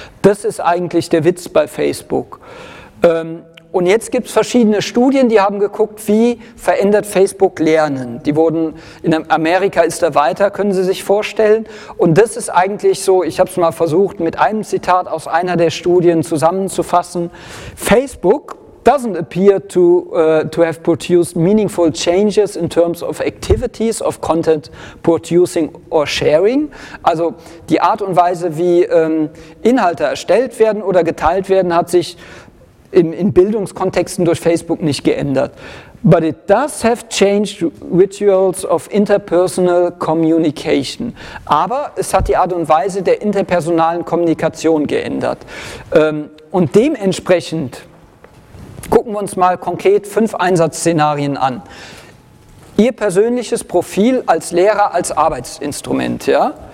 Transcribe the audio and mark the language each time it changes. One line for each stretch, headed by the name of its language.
German: Das ist eigentlich der Witz bei Facebook. Und jetzt gibt es verschiedene Studien, die haben geguckt, wie verändert Facebook Lernen. Die wurden, in Amerika ist da weiter, können Sie sich vorstellen. Und das ist eigentlich so, ich habe es mal versucht, mit einem Zitat aus einer der Studien zusammenzufassen.
English: Facebook doesn't appear to have produced meaningful changes in terms of activities of content producing or sharing.
German: Also die Art und Weise, wie Inhalte erstellt werden oder geteilt werden, hat sich in Bildungskontexten durch Facebook nicht geändert.
English: But it does have changed rituals of interpersonal communication.
German: Aber es hat die Art und Weise der interpersonalen Kommunikation geändert. Und dementsprechend gucken wir uns mal konkret 5 Einsatzszenarien an. Ihr persönliches Profil als Lehrer, als Arbeitsinstrument, ja?